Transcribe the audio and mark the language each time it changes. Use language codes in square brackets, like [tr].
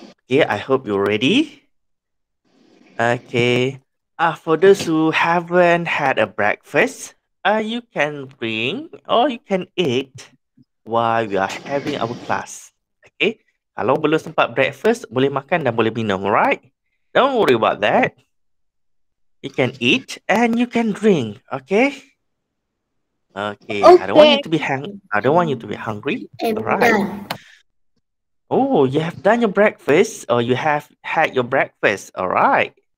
[en] Okay, I hope you're ready. Okay. For those who haven't had a breakfast, you can bring or you can eat while we are having our class. Okay. [ms] Kalau belum sempat breakfast, boleh makan dan boleh minum, right? [en] Don't worry about that. You can eat and you can drink, okay? Okay, okay. I don't want you to be hungry. All right. Oh, you have done your breakfast or you have had your breakfast. All right.